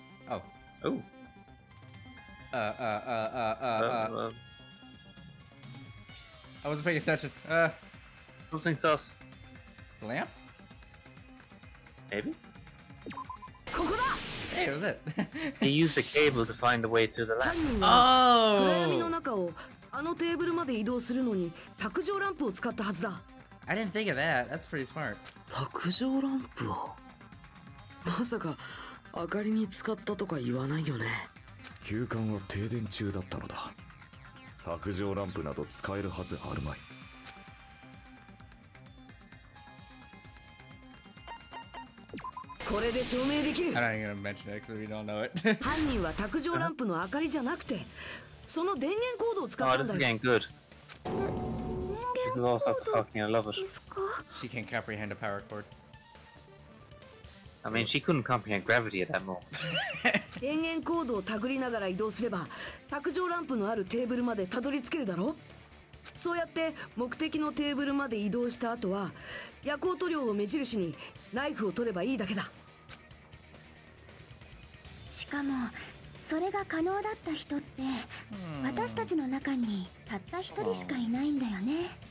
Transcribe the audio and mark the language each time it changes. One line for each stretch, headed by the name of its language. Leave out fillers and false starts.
English: Oh. Oh. I wasn't paying attention. Something sus. Lamp? Maybe? Hey, what was it? He used a cable to find the way to the lamp. Oh!
Japanese: あのテーブルまで移動するのに卓上ランプを使ったはずだ。
English: I didn't think of that. That's pretty smart.
Japanese: 卓上ランプを、まさか明かりに使ったとか言わないよね。休館は停電中だったのだ。卓上ランプなど使えるはずあるまい。これで証明できる。
English: I'm not gonna mention it because we don't know it.
Japanese: 犯人は卓上ランプの明かりじゃなくてその電源コードを使ったんだ。
English: Oh, this is getting good. This is all such fucking, I love it. She can't comprehend a power cord. I mean, she couldn't comprehend gravity at that moment.
Japanese: 電源コードを手繰りながら移動すれば卓上ランプのあるテーブルまでたどり着けるだろう。そうやって目的のテーブルまで移動した後は夜光塗料を目印にナイフを取ればいいだけだ。しかもそれが可能だった人って、私たちの中にたった一人しかいないんだよね。